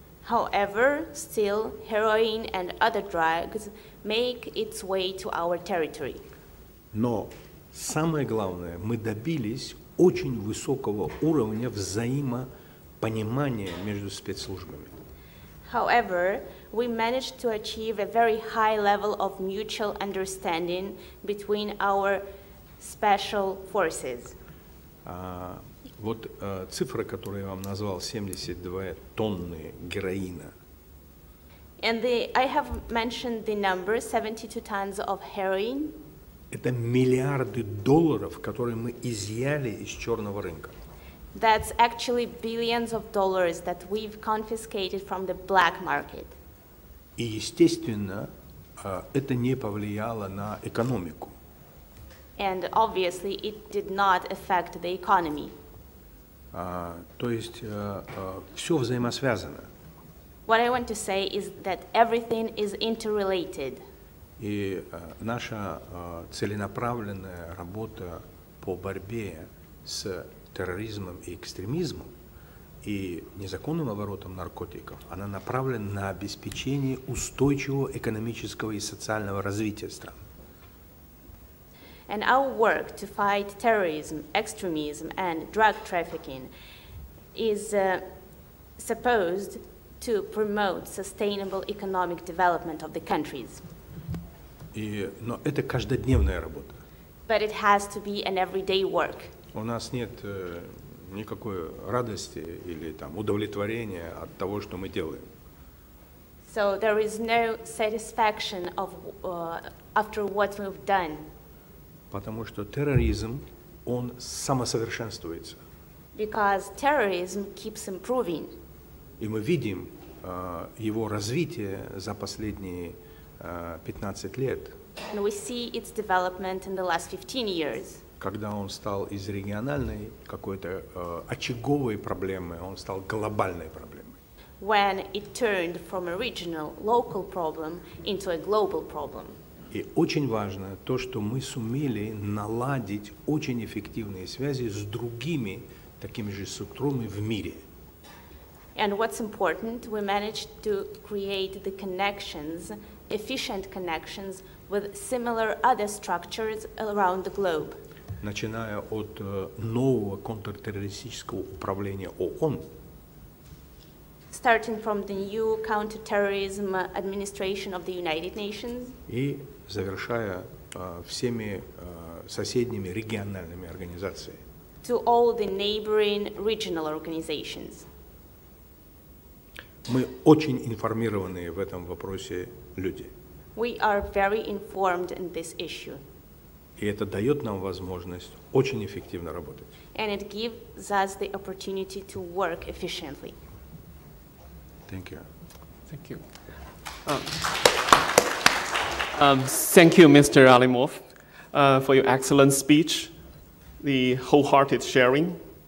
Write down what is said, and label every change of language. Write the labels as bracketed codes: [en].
[en] However, still, heroin and other drugs make its way to our territory. [ru] Но самое главное, мы добились очень высокого уровня взаимопонимания между спецслужбами. [en] However, we managed to achieve a very high level of mutual understanding between our special forces. [ru] Вот цифра, которую я вам назвал, 72 тонны героина. [en] And I have mentioned the number, 72 tons of heroin. [ru] Это миллиарды долларов, которые мы изъяли из черного рынка. [en] That's actually billions of dollars that we've confiscated from the black market. [ru] И естественно, это не повлияло на экономику. [en] And obviously, it did not affect the economy. [ru] То есть все взаимосвязано. [en] What I want to say is that everything is interrelated. [ru] И наша целенаправленная работа по борьбе с терроризмом и экстремизмом и незаконным оборотом наркотиков, она направлена на обеспечение устойчивого экономического и социального развития стран. [en] And our work to fight terrorism, extremism, and drug trafficking is supposed to promote sustainable economic development of the countries. [ru] Но это каждодневная работа. [en] But it has to be an everyday work. [ru] У нас нет никакой радости или там удовлетворения от того, что мы делаем. [en] So there is no satisfaction of after what we've done. [ru] Потому что терроризм, он самосовершенствуется. [en] Because terrorism keeps improving. [ru] И мы видим его развитие за последние 15 лет. [en] And we see its development in the last 15 years. [ru] Когда он стал из региональной какой-то очаговой проблемы, он стал глобальной проблемой. [en] When it turned from a regional, local problem into a global problem. [ru] И очень важно то, что мы сумели наладить очень эффективные связи с другими такими же структурами в мире. [en] And what's important, we managed to create the connections, efficient connections, with similar other structures around the globe. [ru] Начиная от нового контртеррористического управления ООН. [en] Starting from the new counter-terrorism administration of the United Nations. [ru] И завершая всеми соседними региональными организациями. [en] To all the neighboring regional organizations. [ru] Мы очень информированные в этом вопросе люди. [en] We are very informed in this issue. [ru] И это дает нам возможность очень эффективно работать. [en] And it gives us the opportunity to work efficiently. Thank you. Thank you. Thank you, Mr. Alimov, for your excellent speech, the wholehearted sharing.